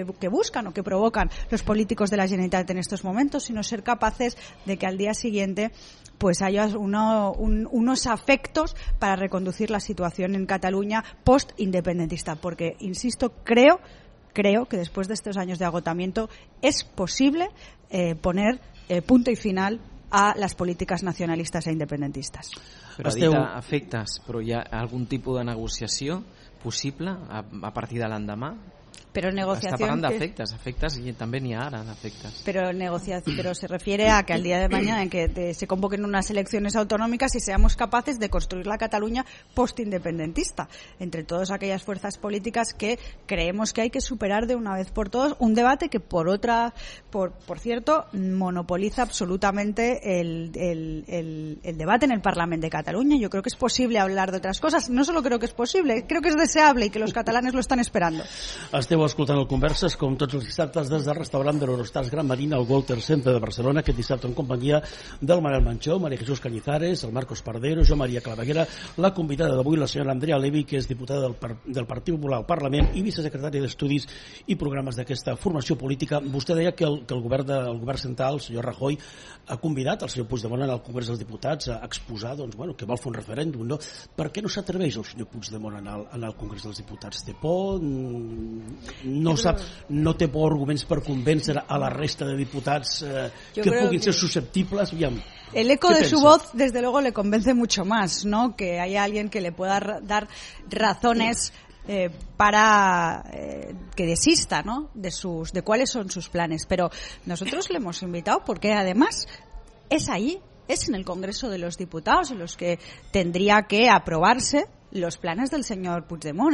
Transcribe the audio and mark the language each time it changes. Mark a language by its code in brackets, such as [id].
[es] buscan o que provocan los políticos de la Generalitat en estos momentos, sino ser capaces de que al día siguiente pues haya unos afectos para reconducir la situación en Cataluña post-independentista. Porque, insisto, creo que después de estos años de agotamiento es posible poner punto y final a las políticas nacionalistas e independentistas. [ca] Però ha dit afectes, però hi ha algun tipus de negociació possible a partir de l'endemà? [es] Pero negociación. Está hablando de afectas y también ni ahora de afectas. Pero se refiere a que al día de mañana en que se convoquen unas elecciones autonómicas y seamos capaces de construir la Cataluña post-independentista, entre todas aquellas fuerzas políticas que creemos que hay que superar de una vez por todas, un debate que por cierto, monopoliza absolutamente el debate en el Parlament de Cataluña. Yo creo que es posible hablar de otras cosas. No solo creo que es posible, creo que es deseable y que los catalanes lo están esperando. [ca] Esteu escoltant el Converses, com tots els dissabtes, des del restaurant de l'Eurostars Gran Marina al Walter Centre de Barcelona, aquest dissabte en companyia del Manel Manchó, Maria Jesús Cañizares, el Marcos Pardero, Jo Maria Claveguera, la convidada d'avui, la senyora Andrea Levi, que és diputada del Partit Popular al Parlament i vicesecretària d'Estudis i Programes d'aquesta formació política. Vostè deia que el govern central, el senyor Rajoy, ha convidat el senyor Puigdemont al Congrés dels Diputats a exposar, doncs, bueno, que vol fer un referèndum, no? Per què no s'atreveix el senyor Puigdemont en el Congrés dels Diputats? Té por? No té por arguments per convèncer a la resta de diputats que puguin ser susceptibles? Aviam. [es] El eco de su voz, desde luego, le convence mucho más, ¿no? Que haya alguien que le pueda dar razones que desista, ¿no? De cuáles son sus planes. Pero nosotros le hemos invitado porque además es ahí, es en el Congreso de los Diputados en los que tendría que aprobarse los planes del señor Puigdemont.